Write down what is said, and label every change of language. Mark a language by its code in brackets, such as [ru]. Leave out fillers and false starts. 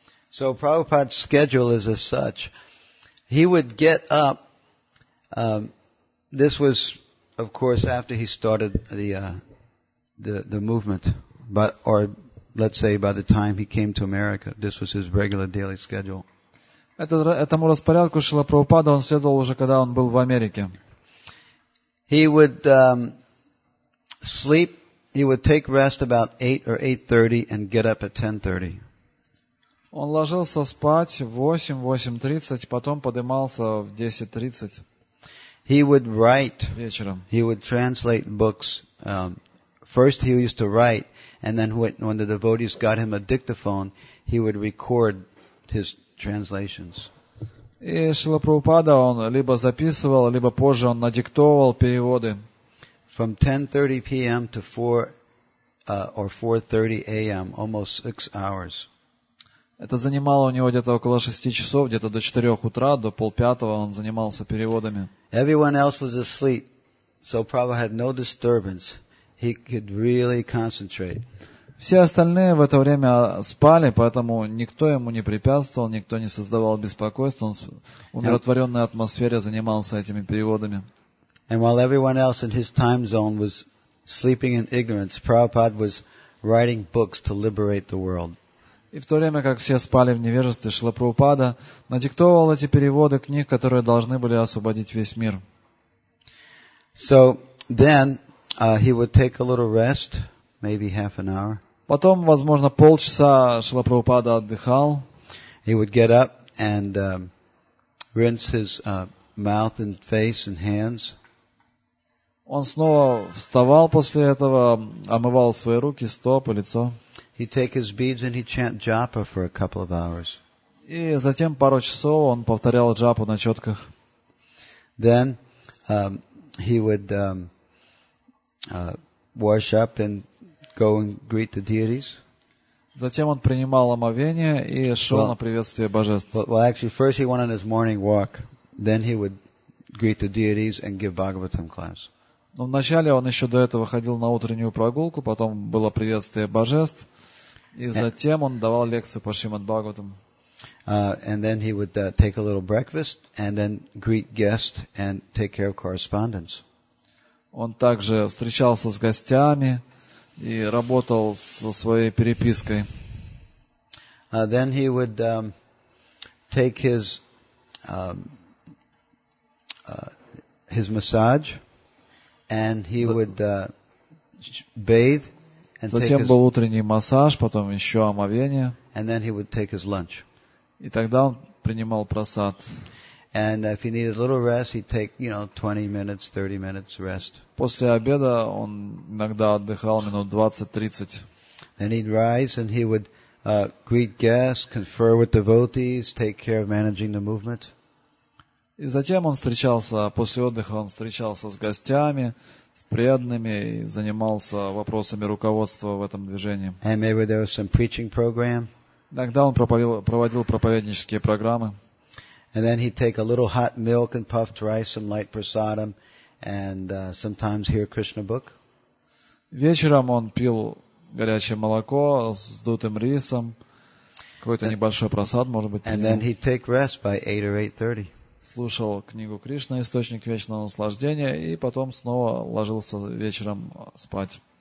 [en] So Prabhupada's schedule is as such. He would get up, this was, of course, after he started the movement, but or let's say by the time he came to America, this was his regular daily schedule. [ru] Этому распорядку Шрила Прабхупада он следовал уже, когда он был в Америке. [en] He would sleep, he would take rest about 8 or 8:30 and get up at 10:30. [ru] Он ложился спать в 8-8:30, потом поднимался в 10:30. [en] He would write [ru] вечером. [en] He would translate books. First he used to write, and then when the devotees got him a dictaphone, he would record his translations. [ru] И Шрила Прабхупада, он либо записывал, либо позже он надиктовывал переводы. [en] From 10:30 p.m. to 4 or 4:30 a.m., almost 6 hours. [ru] Это занимало у него где-то около 6 часов, где-то до 4 утра, до 4:30 он занимался переводами. [en] Everyone else was asleep, so Prabhupada had no disturbance. He could really concentrate. [ru] Все остальные в это время спали, поэтому никто ему не препятствовал, никто не создавал беспокойств. Он в умиротворенной атмосфере занимался этими переводами. [en] And while everyone else in his time zone was sleeping in ignorance, Prabhupada was writing books to liberate the world. [ru] И в то время, как все спали в невежестве, Шрила Прабхупада надиктовывал эти переводы книг, которые должны были освободить весь мир. [en] So then he would take a little rest, maybe half an hour. [ru] Потом, возможно, полчаса Шрила Прабхупада отдыхал. [en] He would get up and rinse his mouth and face and hands. [ru] Он снова вставал после этого, омывал свои руки, стопы, лицо. [en] He'd take his beads and he'd chant japa for a couple of hours. [ru] И затем пару часов он повторял джапу на четках. [en] Then he would wash up and go and greet the deities. [ru] Затем он принимал омовение и шел на приветствие божеств. [en] Well, actually, first he went on his morning walk. Then he would greet the deities and give Bhagavatam class. [ru] Но вначале он еще до этого ходил на утреннюю прогулку, потом было приветствие божеств, и затем он давал лекцию по Шримад-Бхагаватам. [en] And then he would take a little breakfast and then greet guests and take care of correspondence. [ru] Он также встречался с гостями и работал со своей перепиской. [en] Then he would take his his massage. And he would bathe and [ru] затем [en] take his, [ru] был утренний массаж, потом еще омовение. [en] And then he would take his lunch. [ru] И тогда он принимал просад. [en] And if he needed a little rest, he'd take, you know, 20 minutes, 30 minutes rest. [ru] После обеда он иногда отдыхал минут 20-30. [en] And he'd rise and he would greet guests, confer with devotees, take care of managing the movement. [ru] И затем он встречался, после отдыха он встречался с гостями, с преданными, и занимался вопросами руководства в этом движении. [en] And maybe there was some preaching program. [ru] Иногда он проводил проповеднические программы. [en] And then he'd take a little hot milk and puffed rice, some light prasadam, and sometimes hear Krishna book. [ru] Вечером он пил горячее молоко с сдутым рисом, какой-то небольшой просад, может быть. [en] And then he'd take rest by 8 or 8:30. [ru] Слушал книгу Кришна «Источник вечного наслаждения» и потом снова ложился вечером спать.